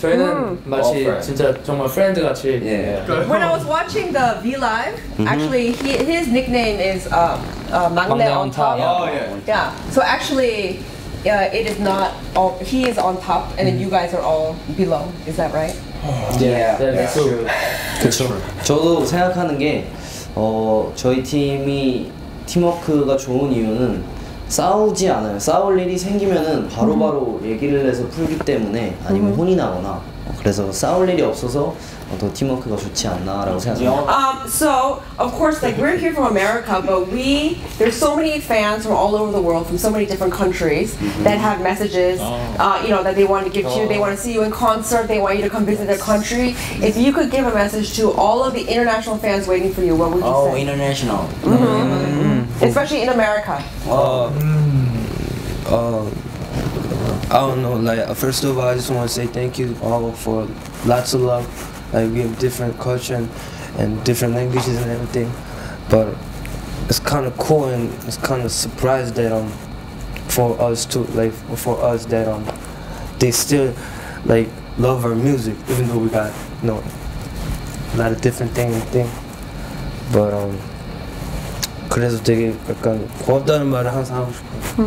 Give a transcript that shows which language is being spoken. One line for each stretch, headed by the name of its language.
Korean: 저희는 마치 진짜 정말
English: friend
Korean: 같이.
English: Yeah. When I was watching the V Live, mm-hmm. actually his nickname is 망대 on top. Yeah. Oh yeah. Yeah. So actually, it is not. All, he is on top, and then you guys are all below. Is that right? Yeah. That's true.
Korean: 저도 생각하는 게 저희 팀이 팀워크가 좋은 이유는. 싸우지 않아요. 싸울 일이 생기면은 바로바로 얘기를 해서 풀기 때문에 아니면 혼이 나거나 그래서 싸울 일이 없어서 더 팀워크가 좋지 않나라고 생각합니다.
English: So of course, like we're here from America, but there's so many fans from all over the world, from so many different countries that have messages, you know, that they want to give to you. They want to see you in concert. They want you to come visit their country. If you could give a message to all of the international fans waiting for you, what would you say? Oh, international. Mm-hmm. Especially in America. I don't know. Like, first of all, I just want to say thank you all for lots of love. Like, we have different culture and different languages and everything, but it's kind of cool and it's kind of surprised that for us that they still like love our music even though we got a lot of different things. But
Korean: 그래서 되게 약간 고맙다는 말을 항상 하고 싶어.